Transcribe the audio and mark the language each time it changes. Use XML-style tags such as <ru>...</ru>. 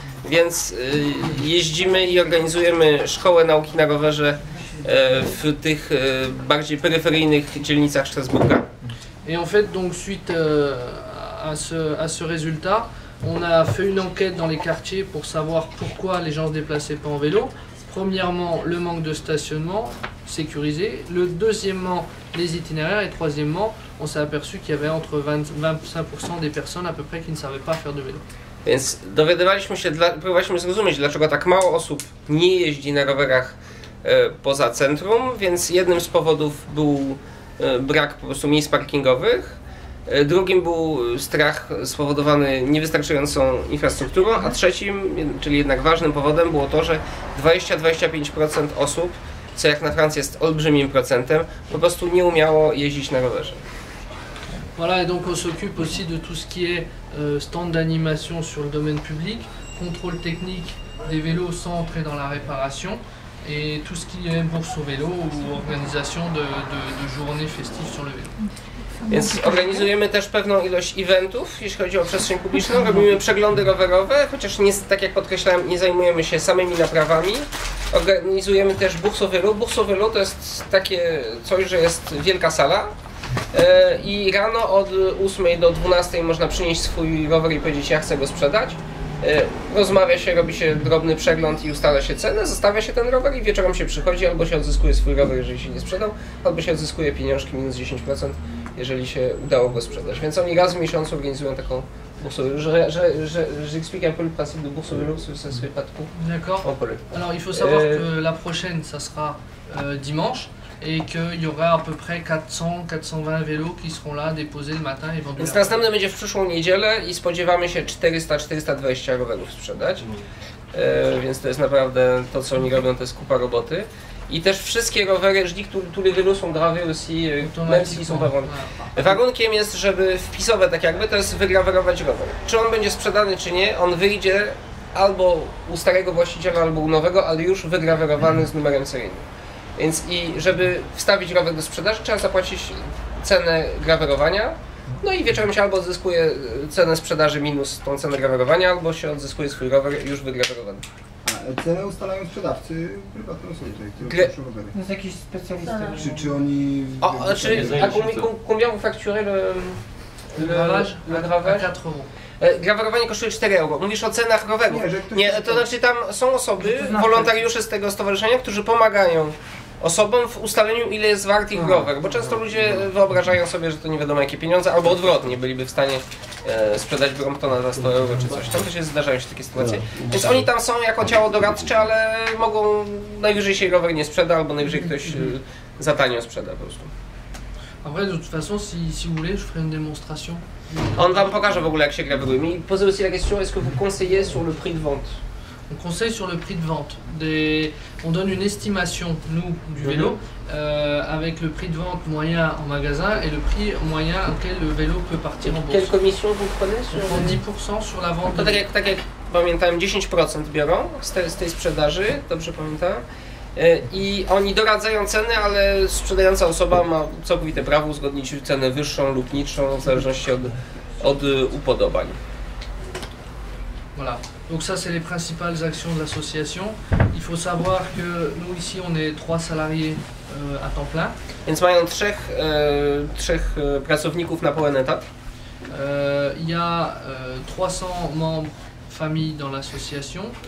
<pl>Więc jeździmy i organizujemy szkołę nauki na rowerze w tych bardziej peryferyjnych dzielnicach Strasburga.</pl> <fr>Et en fait, donc suite à ce résultat, on a fait une enquête dans les quartiers pour savoir pourquoi les gens se déplaçaient pas en vélo. Premièrement, le manque de stationnement sécurisé. Le deuxièmement, les itinéraires. Et troisièmement, on s'est aperçu qu'il y avait entre 20-25% des personnes à peu près qui ne savaient pas faire de vélo.</fr> <pl>Więc dowiadywaliśmy się, próbowaliśmy zrozumieć, dlaczego tak mało osób nie jeździ na rowerach poza centrum, więc jednym z powodów był brak po prostu miejsc parkingowych, drugim był strach spowodowany niewystarczającą infrastrukturą, a trzecim, czyli jednak ważnym powodem było to, że 20-25% osób, co jak na Francję jest olbrzymim procentem, po prostu nie umiało jeździć na rowerze.</pl> <fr>Voilà, et donc on s'occupe aussi de tout ce qui est stand d'animation sur le domaine public, contrôle technique des vélos sans entrer dans la réparation, et tout ce qui est bourse au vélo ou organisation de journées festives sur le vélo.</fr> <pl>Więc organizujemy też pewną ilość eventów, jeśli chodzi o przestrzeń publiczną. Robimy przeglądy rowerowe, chociaż nie, tak jak podkreślałem, nie zajmujemy się samymi naprawami. Organizujemy też bourse au vélo. Bourse au vélo to jest takie coś, że jest wielka sala. I rano od 8 do 12 można przynieść swój rower i powiedzieć, ja chcę go sprzedać. Rozmawia się, robi się drobny przegląd i ustala się cenę, zostawia się ten rower i wieczorem się przychodzi, albo się odzyskuje swój rower, jeżeli się nie sprzedał, albo się odzyskuje pieniążki minus 10%, jeżeli się udało go sprzedać. Więc oni raz w miesiącu organizują taką boursouvelu, że</pl> <fr>explique un peu le principe de boursouvelu, si ça se fait pas de coup. D'accord. Alors il faut savoir que la prochaine, ça sera dimanche. Et qu'il y aura à peu près 400-420 vélos qui seront là déposés le matin et vendus.</fr> <pl>Więc następny będzie w przyszłą niedzielę i spodziewamy się 400-420 rowerów sprzedać. Więc to jest naprawdę to, co oni robią, to jest kupa roboty. I też wszystkie rowery, jeżeli</pl> <fr>tous les vélos sont gravés aussi, merci,</fr> <pl>są pewne. Warunkiem jest, żeby wpisowe tak jakby, to jest wygrawerować rower. Czy on będzie sprzedany, czy nie, on wyjdzie albo u starego właściciela, albo u nowego, ale już wygrawerowany z numerem seryjnym. Więc i żeby wstawić rower do sprzedaży, trzeba zapłacić cenę grawerowania. No i wieczorem się albo odzyskuje cenę sprzedaży minus tą cenę grawerowania, albo się odzyskuje swój rower już wygrawerowany. Cenę ustalają sprzedawcy prywatne osoby, które są rowery. To jest jakiś specjalista. Tak. Czy oni... Czy</pl> <fr>combien vous facturez le graver? 4 euros.</fr> <pl>Grawerowanie kosztuje 4 euro. Mówisz o cenach rowerów. Nie, to znaczy tam są osoby, wolontariusze z tego stowarzyszenia, którzy pomagają osobom w ustaleniu, ile jest wart ich rower. Bo często ludzie wyobrażają sobie, że to nie wiadomo jakie pieniądze, albo odwrotnie, byliby w stanie sprzedać Bromptona za 100 euro czy coś. Tam to się zdarzają się takie sytuacje. Więc oni tam są jako ciało doradcze, ale mogą, najwyżej się rower nie sprzeda, albo najwyżej ktoś za tanio sprzeda po prostu.</pl> <fr>En vrai, de toute façon, si vous voulez, je ferai une démonstration. On va vous montrer avec la brume. Mais posez aussi la question, est-ce que vous conseillez sur le prix de vente? On conseille sur le prix de vente. On donne une estimation, nous, du vélo, avec le prix de vente moyen en magasin et le prix moyen auquel le vélo peut partir en bourse. Quelle commission vous prenez sur... On prend 10% sur la vente.</fr> <pl>Tak jak pamiętam, 10% biorą z tej sprzedaży, dobrze pamiętam. I oni doradzają ceny, ale sprzedająca osoba ma całkowite prawo uzgodnić cenę wyższą lub niższą w zależności od upodobań.</pl> <fr>Voilà. Donc ça c'est les principales actions de l'association. Il faut savoir que nous ici on est trois salariés à temps plein.</fr> <pl>Więc mają trzech pracowników na pełen etat.</pl> <fr>Il y a 300 membres famille dans l'association.</fr>